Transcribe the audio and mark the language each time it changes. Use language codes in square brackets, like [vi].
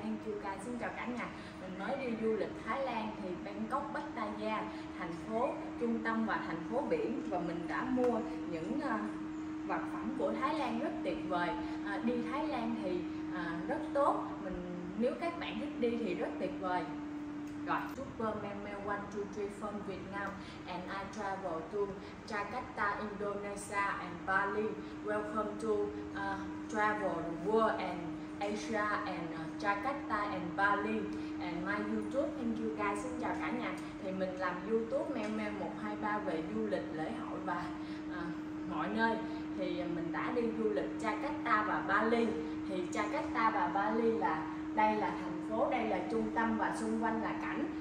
[en] Thank you guys, [vi] xin chào cả nhà. Mình nói đi du lịch Thái Lan thì Bangkok, Pattaya, thành phố trung tâm và thành phố biển. Và mình đã mua những vật phẩm của Thái Lan rất tuyệt vời. Đi Thái Lan thì rất tốt, mình nếu các bạn thích đi thì rất tuyệt vời. [en] Rồi, super member 123 from Việt Nam and I travel to Jakarta, Indonesia and Bali. Welcome to travel the world and Asia and Jakarta and Bali and my YouTube. Thank you guys, [vi] xin chào cả nhà. Thì mình làm YouTube member 123 về du lịch, lễ hội và mọi nơi. Thì mình đã đi du lịch Jakarta và Bali. Thì Jakarta và Bali là đây là thành phố, đây là trung tâm và xung quanh là cảnh.